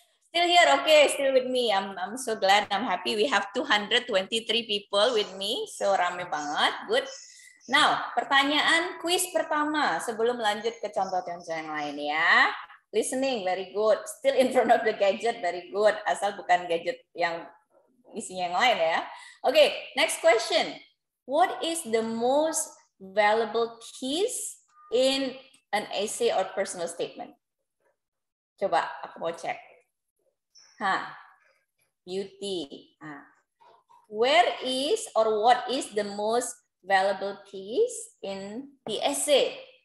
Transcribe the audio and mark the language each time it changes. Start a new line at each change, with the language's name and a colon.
English: Still here. Okay, still with me. I'm so glad. I'm happy. We have 223 people with me. So rame banget. Good.
Indonesian: Now, pertanyaan quiz pertama sebelum lanjut ke contoh-contoh yang lain ya.
English: Listening, very good. Still in front of the gadget, very good.
Indonesian: Asal bukan gadget yang isinya yang lain ya.
English: Okay, next question. What is the most valuable keys in an essay or personal statement?
Indonesian: Coba aku mau cek.
English: Beauty. Where is or what is the most valuable keys in the essay?